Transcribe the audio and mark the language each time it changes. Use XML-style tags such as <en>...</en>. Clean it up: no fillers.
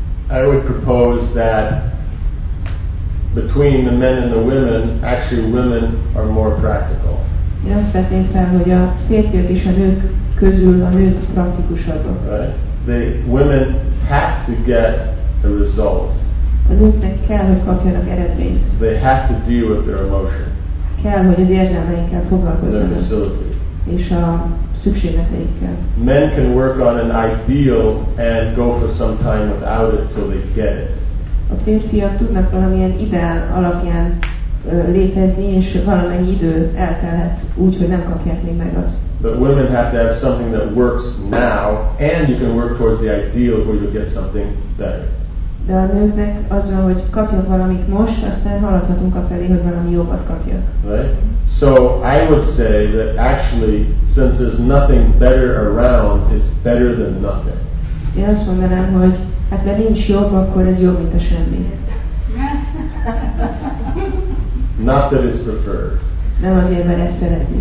<en>I would propose that between the men and the women, actually women are more practical.</en> <hu>Én azt vetném fel, hogy a férfiak és a nők közül a nők praktikusabbak.</hu> <en>Right. The women have to get a result.</en> <hu>A nőknek kell, hogy kapjanak eredményt.</hu> <en>They have to deal with their emotion.</en> <hu>Kell, hogy az érzelmeinkkel foglalkozzanak. És a szükségleteikkel.</hu> <en>Men can work on an ideal and go for some time without it till they get it.</en> <hu>A férfiak tudnak valamilyen ideál alapján létezni, és valamennyi idő eltelhet úgy, hogy nem kapják még meg azt.</hu> <en>But women have to have something that works now, and you can work towards the ideal where you get something better.</en> <hu>De a nőknek az van, hogy kapjak valamit most, aztán haladhatunk a felé, hogy valami jobbat kapjak.</hu> <en>Right? So I would say that actually, since there's nothing better around, it's better than nothing.</en> <hu>Én azt mondanám, hogy hát mert nincs jobb, akkor ez jobb, mint a semmi.</hu> <en>Not that it's preferred.</en> <hu>Nem azért, mert ezt szeretni.</hu>